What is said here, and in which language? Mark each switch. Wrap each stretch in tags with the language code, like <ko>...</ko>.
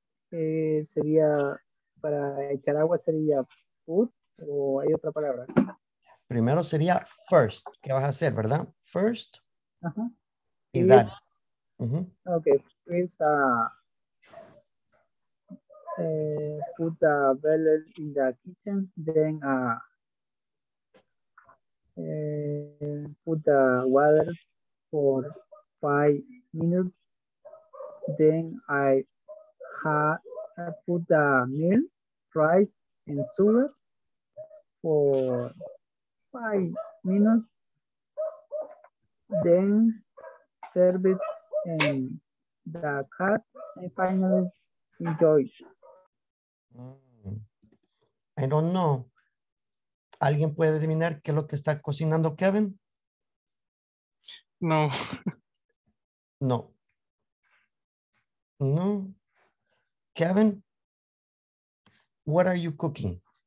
<es>Sería para echar agua, sería food, o hay otra palabra. Primero sería first, ¿qué vas a hacer, verdad?</es> <en>First, uh-huh. Y that. Mm-hmm. Okay, please put the bell in the kitchen, then put the water for 5 minutes, then I put the milk, rice, and sugar for 5 minutes, then serve it in the cup, and finally enjoy. I don't know.</en> <es>¿Alguien puede adivinar qué es lo que está cocinando Kevin? No.</es> <en>No. No. Kevin, what are you cooking?</en>